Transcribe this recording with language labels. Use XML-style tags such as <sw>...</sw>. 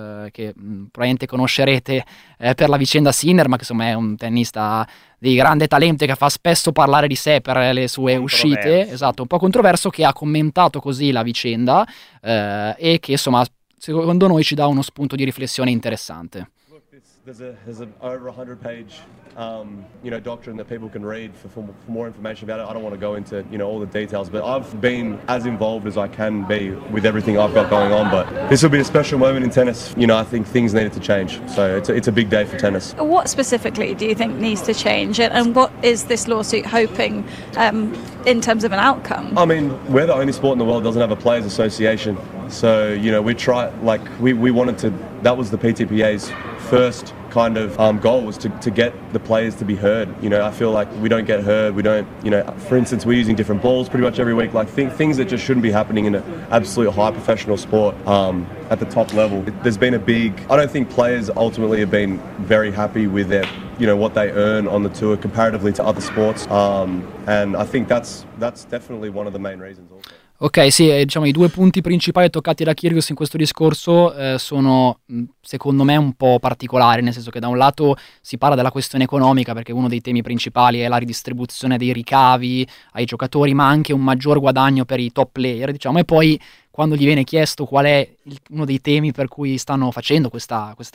<it>che probabilmente conoscerete per la vicenda Sinner, ma che insomma è un tennista di grande talento che fa spesso parlare di sé per le sue uscite, esatto, un po' controverso, che ha commentato così la vicenda e che insomma secondo noi ci dà uno spunto di riflessione interessante.</it> <en>There's an over 100 page you know doctrine that people can read for more information about it. I don't want to go into you know all the details, but I've been as involved as I can be with everything I've got going on, but this will be a special moment in tennis. You know, I think things needed to change, so it's a big day for tennis. What specifically do you think needs to change, and what is this lawsuit hoping in terms of an outcome? I mean, we're the only sport in the world that doesn't have a players association, so you know we wanted to that was the PTPA's first kind of goal, was to get the players to be heard. You know, I feel like we don't get heard, we don't, you know, for instance, we're using different balls pretty much every week, like things that just shouldn't be happening in an absolute high professional sport at the top level. There's been a big, I don't think players ultimately have been very happy with their, you know, what they earn on the tour comparatively to other sports, and I think that's definitely one of the main reasons also.</en> <it>Ok, sì, diciamo i due punti principali toccati da Kyrgios in questo discorso sono secondo me un po' particolari, nel senso che da un lato si parla della questione economica, perché uno dei temi principali è la ridistribuzione dei ricavi ai giocatori, ma anche un maggior guadagno per i top player, diciamo, e poi quando gli viene chiesto qual è uno dei temi per cui stanno facendo questa</it>